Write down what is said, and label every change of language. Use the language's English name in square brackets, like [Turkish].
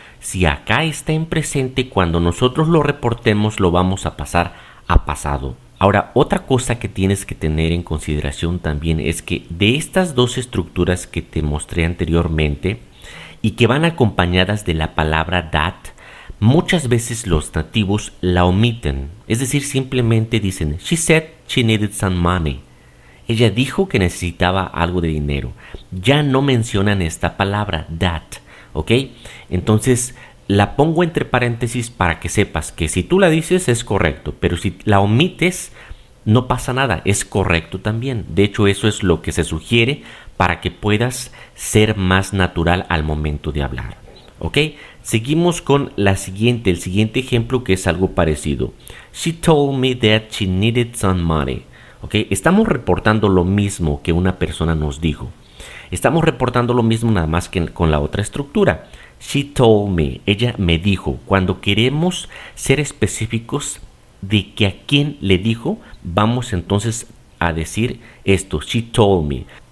[Spanish] Si acá está en presente, cuando nosotros lo reportemos, lo vamos a pasar a pasado. Ahora, otra cosa que tienes que tener en consideración también es que de estas dos estructuras que te mostré anteriormente y que van acompañadas de la palabra that, muchas veces los nativos la omiten. Es decir, simplemente dicen, [English] she said she needed some money. [Spanish] Ella dijo que necesitaba algo de dinero. Ya no mencionan esta palabra, that, ¿ok? Entonces, la pongo entre paréntesis para que sepas que si tú la dices es correcto, pero si la omites, no pasa nada, es correcto también. De hecho, eso es lo que se sugiere para que puedas ser más natural al momento de hablar, ¿ok? Seguimos con el siguiente ejemplo que es algo parecido. [English] She told me that she needed some money. [Spanish] Okay, estamos reportando lo mismo que una persona nos dijo. Estamos reportando lo mismo nada más que con la otra estructura. [English] She told me, [Spanish] ella me dijo. Cuando queremos ser específicos de que a quién le dijo, vamos entonces a decir esto. [English] She told me.